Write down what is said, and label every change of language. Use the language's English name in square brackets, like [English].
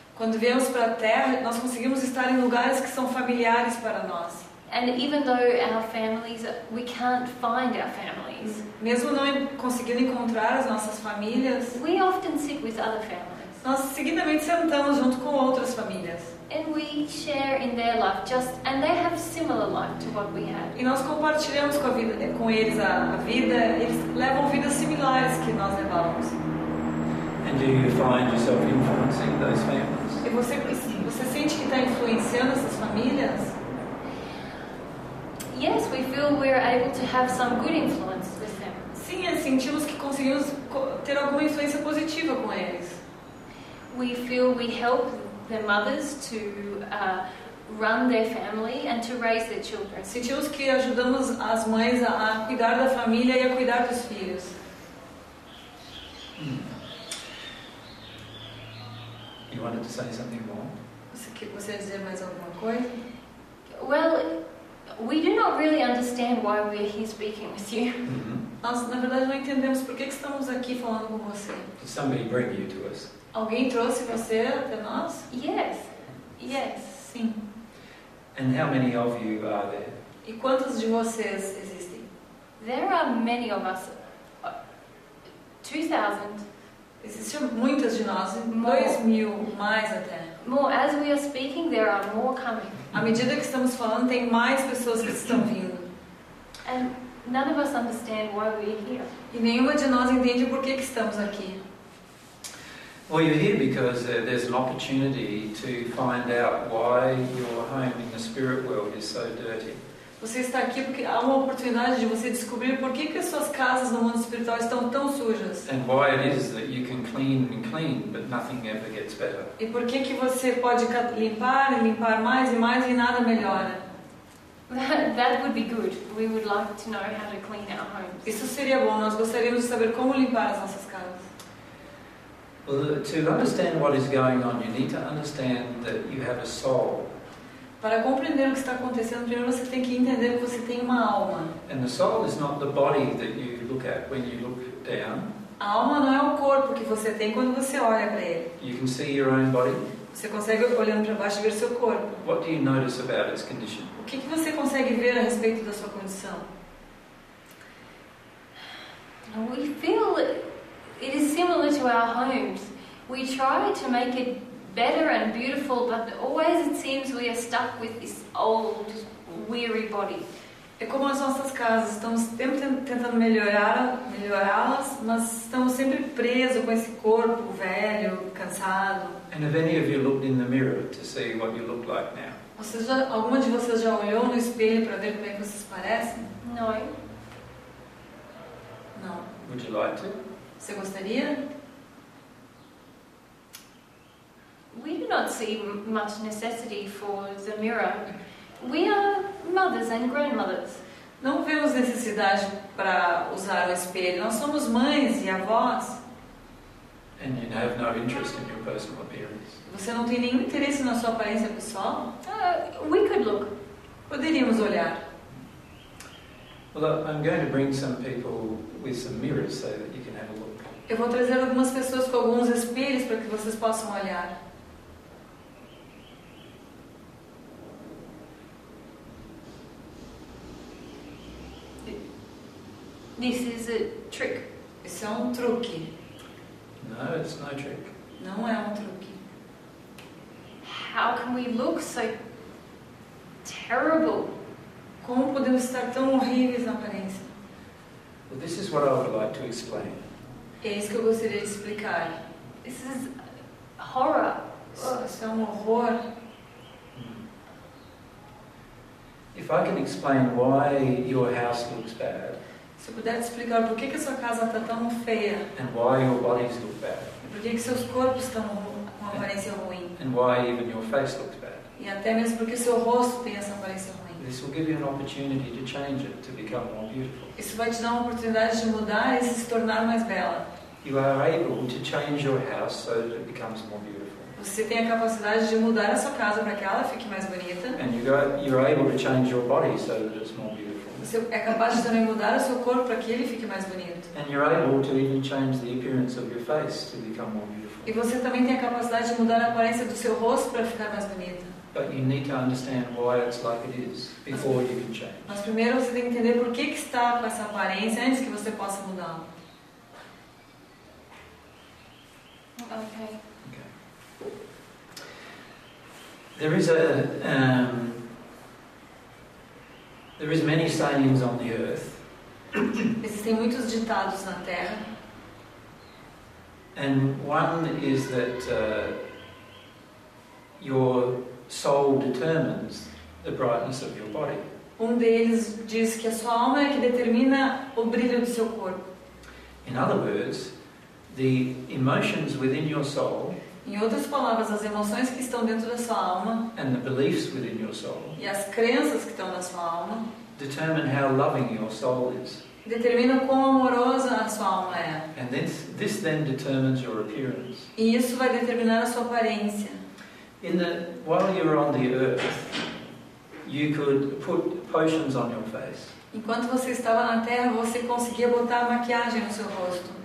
[Portuguese] Quando viemos para a Terra, nós conseguimos estar em lugares que são familiares para nós. [English] And even though our families, we can't find our families. [Portuguese] Mesmo não conseguindo encontrar as nossas famílias. [English] We often sit with other families. [Portuguese] Nós seguidamente sentamos junto com outras famílias. [English] And we share in their life just, and they have similar life to what we have. [Portuguese] E nós compartilhamos com a vida com eles a vida. Eles levam vidas similares que nós levamos. [English] And And do you find yourself influencing those families? [Portuguese] E você sente que está influenciando essas famílias? [English] Yes, we feel we're able to have some good influence with them. [Portuguese] Sim, sentimos que conseguimos ter alguma influência positiva com eles. [English] We feel we help the mothers to run their family and to raise their children. [Portuguese] Sentimos que ajudamos as mães a cuidar da família e a cuidar dos filhos. [English] You wanted to say something more? [Portuguese] Você quer dizer mais alguma coisa? [English] Well, we do not really understand why we are here speaking with you. [Portuguese] Nós, na verdade, não entendemos por que estamos aqui falando com você. [English] Did somebody bring you to us? [Portuguese] Alguém trouxe você até nós? [English] Yes. Yes. [Portuguese] Sim. [English] And how many of you are there? [Portuguese] E quantos de vocês existem? [English] There are many of us. 2,000. [Portuguese] Existem muitas de nós. 2,000 mais até. [English] More. As we are speaking, there are more coming. [Portuguese] À medida que estamos falando, tem mais pessoas que estão vindo. [English] And none of us understand why we are here. [Portuguese] E nenhuma de nós entende por que estamos aqui. [English] Well, you're here because there's an opportunity to find out why your home in the spirit world is so dirty. [Portuguese] Você está aqui porque há uma oportunidade de você descobrir por que as suas casas no mundo espiritual estão tão sujas. [English] And why it is that you can clean and clean, but nothing ever gets better. [Portuguese] E por que você pode limpar e limpar mais e mais e nada melhora? [English] That would be good. We would like to know how to clean our homes. [Portuguese] Isso seria bom. Nós gostaríamos de saber como limpar as nossas casas. [English] Well, to understand what is going on, you need to understand that you have a soul. [Portuguese] Para compreender o que está acontecendo, primeiro você tem que entender que você tem uma alma. [English] And the soul is not the body that you look at when you look down. [Portuguese] A alma não é o corpo que você tem quando você olha para ele. [English] You can see your own body. [Portuguese] Você consegue, olhando para baixo, ver seu corpo. [English] What do you notice about its condition? [Portuguese] O que você consegue ver a respeito da sua condição? [English] We feel it is similar to our homes. We try to make it better and beautiful, but always it seems we are stuck with this old, weary body. [Portuguese] É como as nossas casas. Estamos sempre tentando melhorá-las, mas estamos sempre presos com esse corpo velho, cansado. [English] And have any of you looked in the mirror to see what you look like now? [Portuguese] Alguma de vocês já olhou no espelho para ver como é que vocês parecem? [English] No. No. Would you like to? [Portuguese] Você gostaria? [English] We do not see much necessity for the mirror. We are mothers and grandmothers. [Portuguese] Não vemos necessidade para usar o espelho. Nós somos mães e avós. [English] And you have no interest in your personal appearance. [Portuguese] Você não tem nenhum interesse na sua aparência pessoal? [English] We could look. [Portuguese] Poderíamos olhar. [English] Well, I'm going to bring some people with some mirrors so that you can have a look. [Portuguese] Eu vou trazer algumas pessoas com alguns espelhos para que vocês possam olhar. [English] This is a trick. [Portuguese] Isso é um truque. [English] No, it's no trick. [Portuguese] Não é um truque. [English] How can we look so terrible? [Portuguese] Como podemos estar tão horríveis na aparência? [English] Well, this is what I would like to explain. [Portuguese] É isso que eu gostaria de explicar. [English] This is horror. [Portuguese] Isso é um horror. [English] If I can explain why your house looks bad. [Portuguese] Se eu puder explicar por que a sua casa está tão feia. [English] And why your bodies look bad. [Portuguese] E por que seus corpos estão com uma aparência ruim. [English] And why even your face looks bad. [Portuguese] E até mesmo porque seu rosto tem essa aparência ruim. [English] This will give you an opportunity to change it, to become more beautiful. [Portuguese] Isso vai te dar uma oportunidade de mudar e se tornar mais bela. [English] You are able to change your house so that it becomes more beautiful. [Portuguese] Você tem a capacidade de mudar a sua casa para que ela fique mais bonita. [English] And you're able to change your body so that it's more beautiful. [Portuguese] Você é capaz de também mudar o seu corpo para que ele fique mais bonito. [English] And you're able to even change the appearance of your face to become more beautiful. [Portuguese] E você também tem a capacidade de mudar a aparência do seu rosto para ficar mais bonita. [English] But you need to understand why it's like it is before you can change. [Portuguese] Mas primeiro você tem que entender por que está com essa aparência antes que você possa mudar. [English] Okay. There is a there is many sayings on the earth. [Portuguese] Existem muitos ditados na Terra. [English] And one is that your soul determines the brightness of your body. [Portuguese] Um deles diz que a sua alma é que determina o brilho do seu corpo. [English] In other words, the emotions within your soul. [Portuguese] Em outras palavras, as emoções que estão dentro da sua alma. [English] And the beliefs within your soul. [Portuguese] E as crenças que estão na sua alma. [English] Determine how loving your soul is. [Portuguese] Determina quão amorosa a sua alma é. [English] And this then determines your appearance. [Portuguese] E isso vai determinar a sua aparência. [English] While you're on the earth, you could put potions on your face. [Portuguese] Enquanto você estava na Terra, você conseguia botar maquiagem no seu rosto.